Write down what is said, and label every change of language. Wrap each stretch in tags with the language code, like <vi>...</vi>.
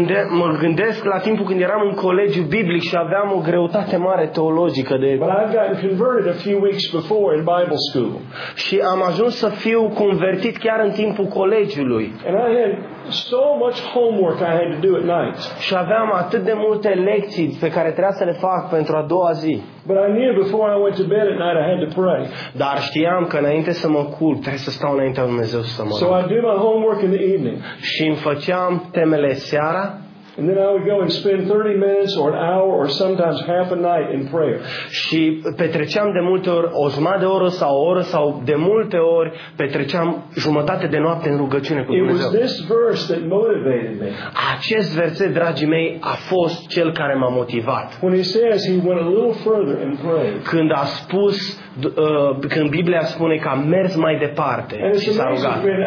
<ro>Mă gândesc la timpul când eram în colegiu biblic și aveam o greutate mare teologică de.</ro> <en>But I've gotten converted a few weeks before in Bible school.</en> <ro>Și am ajuns să fiu convertit chiar în timpul colegiului.</ro> <en>And I had so much homework I had to do at night.</en> <ro>Și aveam atât de multe lecții pe care trebuia să le fac pentru a doua zi.</ro> <en>But I knew before I went to bed at night I had to pray.</en> <ro>Dar știam că înainte să mă culc trebuie să stau înaintea lui Dumnezeu să mă rog.</ro> <en>So I did my homework in the evening.</en> <ro>Și îmi făceam temele seara.</ro> <en>And then I would go and spend 30 minutes or an hour or sometimes half a night in prayer.</en> <ro>Și petreceam de multe ori o jumătate de oră sau o oră sau de multe ori petreceam jumătate de noapte în rugăciune cu Dumnezeu.</ro> <en>It was this verse that motivated me.</en> <ro>Acest verset, dragii mei, a fost cel care m-a motivat.</ro> <en>When he says he went a little further in prayer.</en> <ro>Când a spus când Biblia spune că a mers mai departe și s-a rugat.</ro>